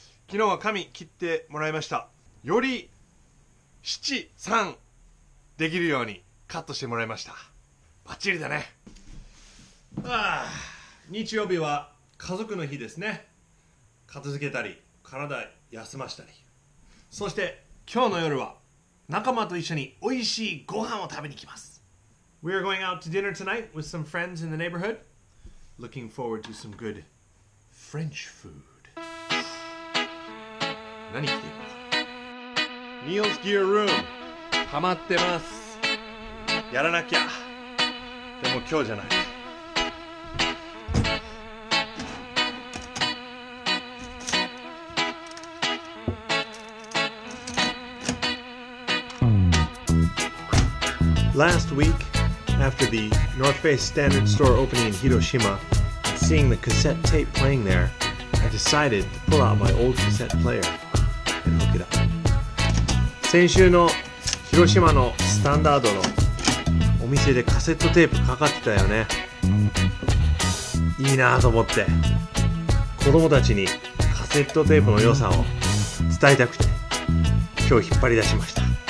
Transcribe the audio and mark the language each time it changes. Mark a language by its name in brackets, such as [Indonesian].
[Japanese] 昨日は髪切ってもらいました。より七三できるようにカットしてもらいました。バッチリだね。ああ、日曜日は家族の日ですね。片付けたり、体休ましたり。そして今日の夜は仲間と一緒に美味しいご飯を食べに来ます。 [English] We are going out to dinner tonight with some friends in the neighborhood. Looking forward to some good French food. [Japanese] 何来ているの ?Neil's Gear Room。ハマってます。やらなきゃ。でも今日じゃない。 [English] Last week, after the North Face Standard Store opening in Hiroshima, seeing the cassette tape playing there, I decided to pull out my old cassette player and hook it up. [Japanese] 先週の広島のスタンダードのお店でカセットテープかかってたよね。いいなと思って、子供たちにカセットテープの良さを伝えたくて、今日引っ張り出しました。